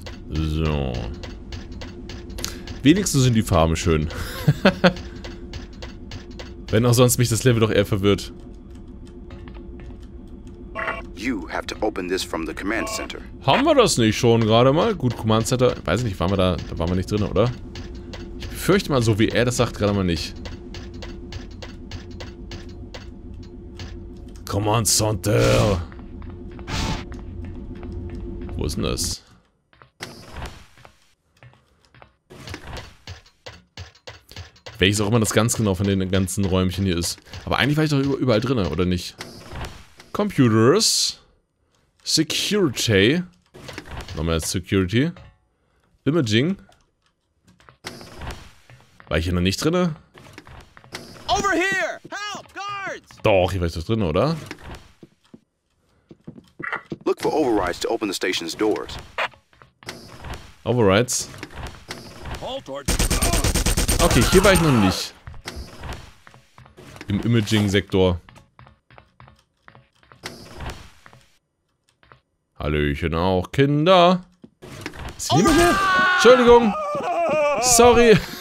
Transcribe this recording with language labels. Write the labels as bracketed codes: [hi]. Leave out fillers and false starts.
[de] So. Wenigstens sind die Farben schön. Wenn auch sonst mich das Level doch eher verwirrt. [en] You have to open this from the command center. [de] Haben wir das nicht schon gerade mal? Gut, Command Center. Weiß ich nicht, waren wir da? Da waren wir nicht drin, oder? Ich befürchte mal, so wie er das sagt, gerade mal nicht. Command Center. Wo ist denn das? Welches auch immer das ganz genau von den ganzen Räumchen hier ist. Aber eigentlich war ich doch überall drin, oder nicht? [en] Computers. Security. Nochmal Security. Imaging. [de] War ich hier noch nicht drin? [en] Over here! Help, guards! [de] Doch, hier war ich doch drin, oder? [en] Look for overrides to open the station's doors. Overrides. [de] Halt, okay, hier war ich noch nicht. Im Imaging-Sektor. Hallöchen auch, Kinder. Ist hier niemand mehr? Entschuldigung. Sorry.